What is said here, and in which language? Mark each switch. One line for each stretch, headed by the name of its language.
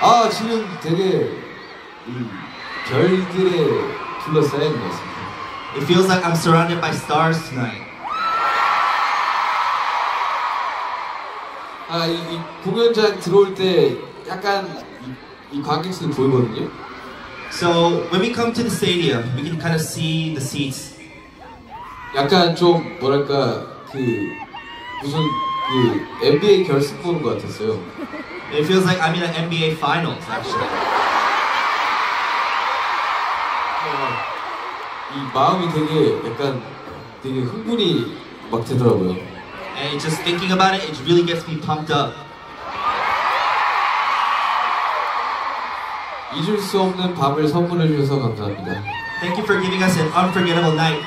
Korean: 지금 되게 별들에 둘러싸인 것 같습니다.
English: It feels like I'm surrounded by stars tonight.
Korean: 아, 이 공연장 들어올 때 약간 이 관객들 보이거든요.
English: So when we come to the stadium, we can kind of see the seats.
Korean: 약간 좀 뭐랄까 그 무슨 그 NBA 결승 보는 것 같았어요.
English: It feels like I'm in an NBA Finals, actually.
Korean: 이 마음이 되게 약간 되게 흥분이 막 되더라고요.
English: And just thinking about it, it really gets me pumped up.
Korean: 잊을 수 없는 밤을 선물해 주셔서 감사합니다.
English: Thank you for giving us an unforgettable night.